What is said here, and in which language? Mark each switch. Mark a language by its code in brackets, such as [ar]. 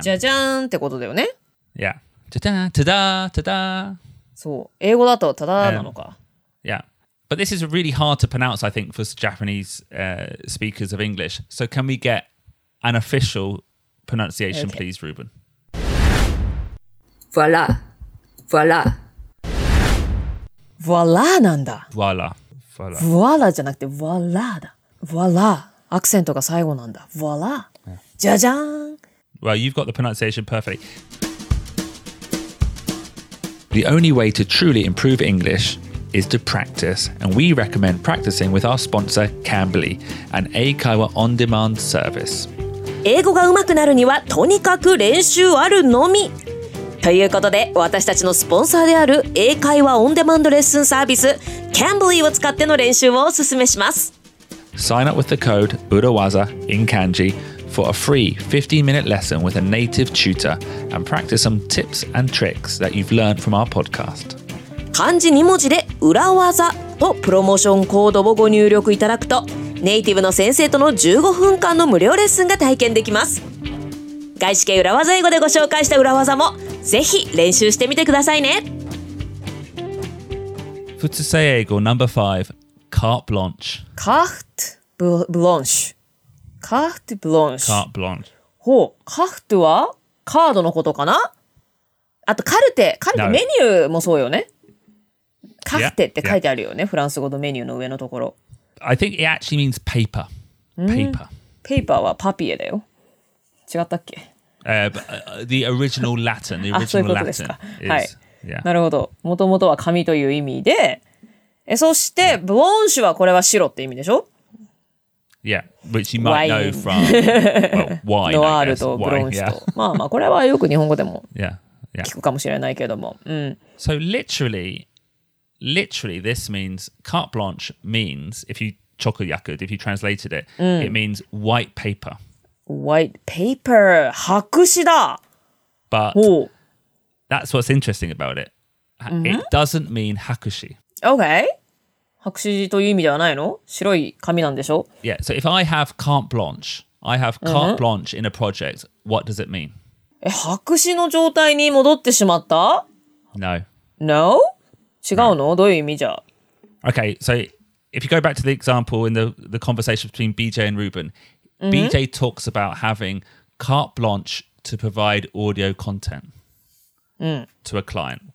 [ja] じゃじゃーんってことだよね。 Yeah. じゃじゃん、ただただ。そう、英語だとただなのか。 [en] Yeah. But this is really hard to pronounce, I think, for Japanese speakers of English. So can we get an official pronunciation, okay. please, Ruben? Voila. Voila. [ja] Voila なんだ。 [en] Voila. [ja] Voila じゃなくて voila だ。Voila. アクセントが最後なんだ。 Voila. じゃじゃん。 [en] Well, you've got the pronunciation perfectly. The only way to truly improve English is to practice, and we recommend practicing with our sponsor, Cambly, an 英会話 on-demand service. [ja] 英語が上手くなるにはとにかく練習あるのみ。ということで、私たちのスポンサーである英会話 on-demand レッスンサービス、Cambly を使っての練習をお勧めします。 [en] Sign up with the code UROWAZA in Kanji for a free 15-minute lesson with a native tutor and practice some tips and tricks that you've learned from our podcast. [ja] 漢字2文字で裏技とプロモーションコードをご入力いただくと、ネイティブの先生との15分間の無料レッスンが体験できます。外資系裏技英語でご紹介した裏技もぜひ練習してみてくださいね。普通性英語 No.5 Carte Blanche Carte Blancheカーフトブロンシュ。カーフトブロンシュ。ほう。カーフトはカードのことかな。あとカルテ。カルテ、no. メニューもそうよね。カーフテって書いてあるよね。 Yeah. フランス語のメニューの上のところ。 [en] I think it actually means paper. Paper. [ja] Paper はパピエだよ。違ったっけ、 [en] the original Latin. The original [ja] あ、そういうことですか。はい。Yeah. なるほど。もともとは紙という意味で。そして、yeah. ブロンシュはこれは白って意味でしょ。 [en] Yeah, which you might know from well, wine. [ja] Noir とブロンシュと、まあまあこれはよく日本語でも聞くかもしれないけども、うん。 [en] So literally, this means carte blanche means if you chokuyakud, if you translated it,、うん、it means white paper. White paper, [ja] 白紙だ。 [en] But that's what's interesting about it. It doesn't mean 白紙。 Okay. [ja] 白紙という意味ではないの？白い紙なんでしょ？ [en] Yeah, so if I have carte blanche, I have carte blanche in a project, what does it mean? [ja] え、白紙の状態に戻ってしまった？ [en] No. [ja] No? 違うの？ No. どういう意味じゃ？ [en] Okay, so if you go back to the example in the conversation between BJ and Ruben, BJ talks about having carte blanche to provide audio content to a client.